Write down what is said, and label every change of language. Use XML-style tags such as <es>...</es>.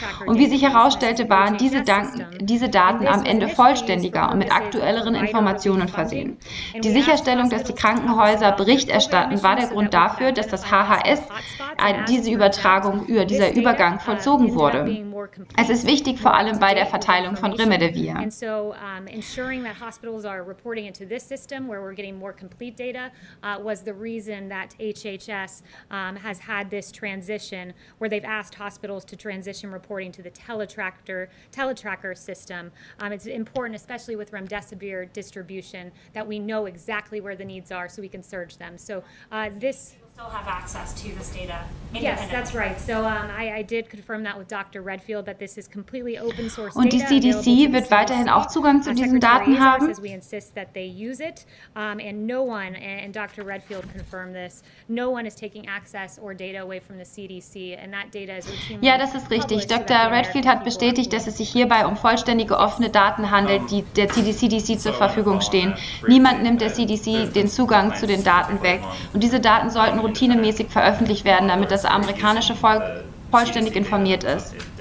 <de>Und wie sich herausstellte, waren diese Daten am Ende vollständiger und mit aktuelleren Informationen versehen. Die Sicherstellung, dass die Krankenhäuser Bericht erstatten, war der Grund dafür, dass das HHS diese Übertragung über dieser Übergang vollzogen wurde. Es ist wichtig, vor allem bei der Verteilung von Remdesivir. Und so,</de> <en>ensuring that hospitals are reporting into this system, where we're getting more complete data, was the reason that HHS has had this transition, where they've asked hospitals to transition reporting to the teletracker system. It's important, especially with Remdesivir distribution, that we know exactly where the needs are so we can surge them. So this still have access to this data. Yes, that's right. So I did confirm that with Dr. Redfield that this is completely open source data.</en> <de>Und die CDC wird weiterhin auch Zugang zu diesen Daten haben.</de> <en>We insist that they use it. And no one, and Dr. Redfield confirmed this, no one is taking access or data away from the CDC. And that data is routinely.</en> <de>Ja, das ist richtig. Dr. Redfield hat bestätigt, dass es sich hierbei um vollständige offene Daten handelt, die der CDC zur Verfügung stehen. Niemand nimmt der CDC den Zugang zu den Daten weg. Und diese Daten sollten routinemäßig veröffentlicht werden, damit das amerikanische Volk vollständig informiert ist.</de>